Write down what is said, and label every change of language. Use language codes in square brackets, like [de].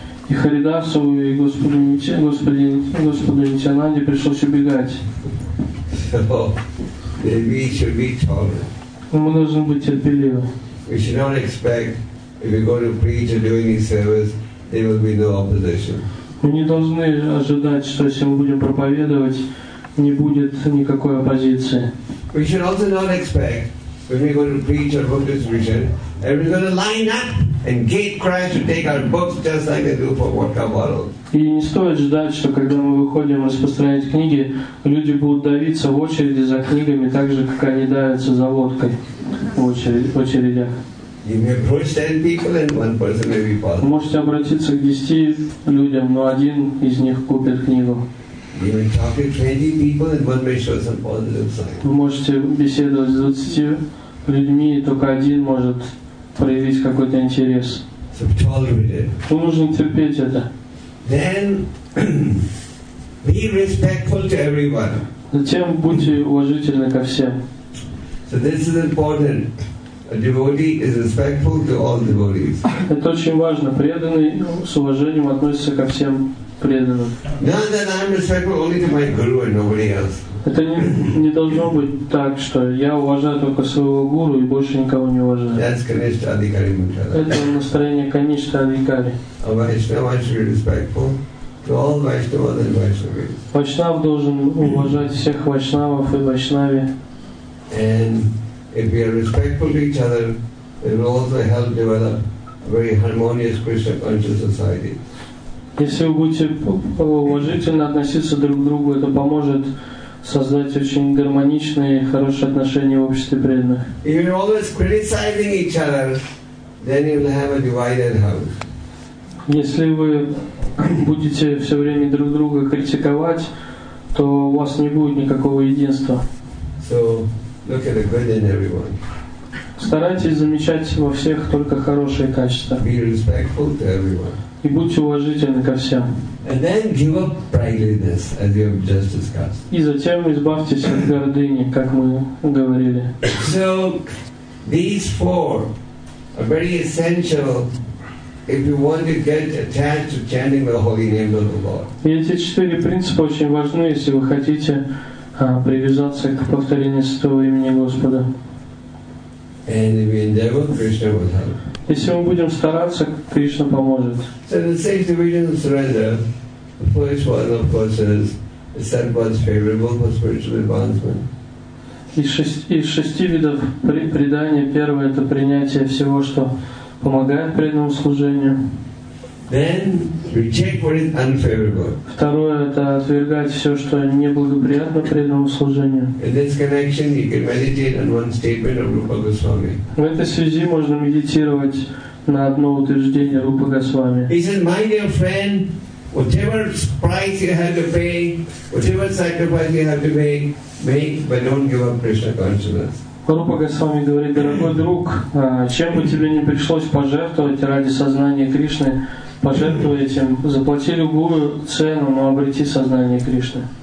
[ru] И Харидасу и Господу Нитянанде пришлось убегать. [en] So, [ru] мы должны быть терпеливы. [en] We should not expect, if we go to preach or do any service, there will be no opposition. [ru] Мы не должны ожидать, что если мы будем проповедовать, не будет никакой оппозиции. [en] We should also not expect when we go to preach or book distribution, everyone's going to line up and gatecrash to take our books just like they do for vodka bottles. [ru] И не стоит ждать, что когда мы выходим распространять книги, люди будут давиться в очереди за книгами так же, как они давятся за водкой в очередях. [en] You may approach 10 people and one person may be bothered. [ru] Можете обратиться к 10 людям, но один из них купит книгу. [en] You may talk to 20 people and one may show some positive sign. [ru] Вы можете беседовать с 20 людьми, и только один может проявить какой-то интерес. [en] So tolerate it. [ru] Вы нужно терпеть это. [en] Then be respectful to everyone. [ru] Затем будьте уважительны ко всем. [en] So this is important. A devotee is respectful to all devotees. [ru] Это очень важно. Преданный с уважением относится ко всем. [en] Now that I'm respectful only to my guru and nobody else. [ru] Это не должно быть так, что я уважаю только своего гуру и больше никого не уважаю. [en] That's Kanishtha Adhikari Mantra. [ru] Это настроение Kanishtha Adhikari. [en] A Vaishnava should be respectful to all Vaishnavas and Vaishnavis. [ru] Vaishnav должен уважать всех Vaishnavas и Vaishnavis. [en] And if we are respectful to each other, it will also help develop a very harmonious Krishna conscious society. [ru] Если вы будете уважительно относиться друг к другу, это поможет создать очень гармоничные и хорошие отношения в обществе преданных. [en] If you're always criticizing each other, then you'll have a divided house. [ru] Если вы будете все время друг друга критиковать, то у вас не будет никакого единства. [en] So look at the good in everyone. [ru] Старайтесь замечать во всех только хорошие качества. [en] Be respectful to everyone. [ru] И будьте уважительны ко всем. [en] And then give up pridefulness, as you have just discussed. [ru] И затем избавьтесь от гордыни, как мы говорили. [en] So these four are very essential if you want to get attached to chanting the holy name of the Lord. [ru] И эти четыре принципа очень важны, если вы хотите привязаться к повторению святого имени Господа. [en] And if we endeavor, Krishna will help. [ru] Если мы будем стараться, Кришна поможет. [en] So the six divisions of surrender, the first one of course is said was favorable for spiritual advancement. [ru] Из шести видов предания первое — это принятие всего, что помогает преданному служению. [en] Then reject what is unfavorable. [ru] Второе — это отвергать все, что неблагоприятно преданному служению. [en] In this connection, you can meditate on one statement of Rupa Goswami. [ru] В этой связи можно медитировать на одно утверждение Рупа Госвами. [en] He said, "My dear friend, whatever price you have to pay, whatever sacrifice you have to make, but don't give up Krishna consciousness." [ru] Рупа Госвами говорит: дорогой друг, чем бы тебе не пришлось пожертвовать ради сознания Кришны, пожертвуй этим, заплати любую цену, но обрети сознание Кришны.